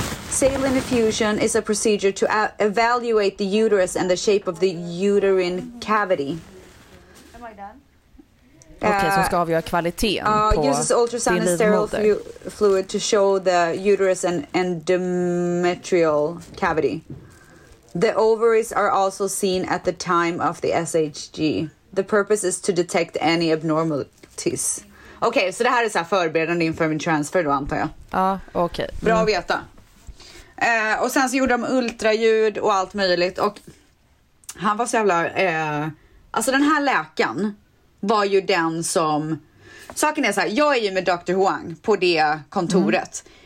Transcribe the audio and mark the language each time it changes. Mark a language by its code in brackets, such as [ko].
[en] Saline infusion is a procedure to evaluate the uterus and the shape of the uterine cavity. [sv] Okej, okay, så ska avgöra kvaliteten på [en] uses ultrasound and sterile fluid to show the uterus and endometrial cavity. The ovaries are also seen at the time of the SHG. The purpose is to detect any abnormalities. [sv] Okej, okay, så det här är så här förberedande inför min transfer då, antar jag. Ja, okej. Okay. Bra att veta. Och sen så gjorde de ultraljud och allt möjligt. Och han var så jävla... alltså den här läkaren var ju den som... Saken är så här, jag är ju med Dr. Huang på det kontoret.